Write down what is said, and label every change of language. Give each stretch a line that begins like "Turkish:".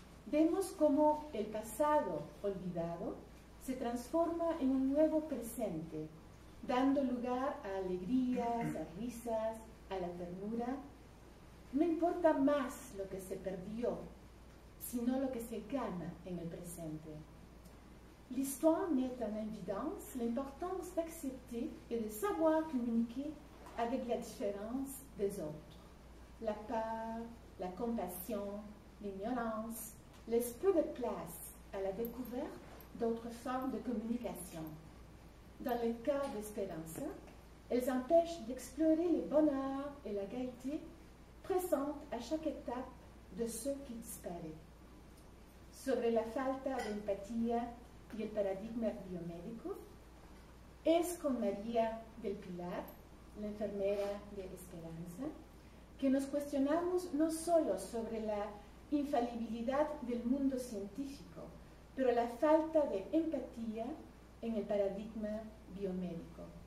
Spanish: Vemos cómo el pasado olvidado se transforma en un nuevo presente, dando lugar a alegrías, a risas, a la ternura. No importa más lo que se perdió, sino lo que se gana en el presente.
French: L'histoire met en évidence l'importance d'accepter et de savoir communiquer avec la différence des autres. La peur, la compassion, l'ignorance laissent peu de place à la découverte d'autres formes de communication. Dans le cas d'Espérance, elles empêchent d'explorer le bonheur et la gaieté présentes à chaque étape de ce qui disparaît.
Spanish: Sobre la falta de empatía y el paradigma biomédico, es con María del Pilar, la enfermera de Esperanza, que nos cuestionamos no solo sobre la infalibilidad del mundo científico, pero la falta de empatía en el paradigma biomédico.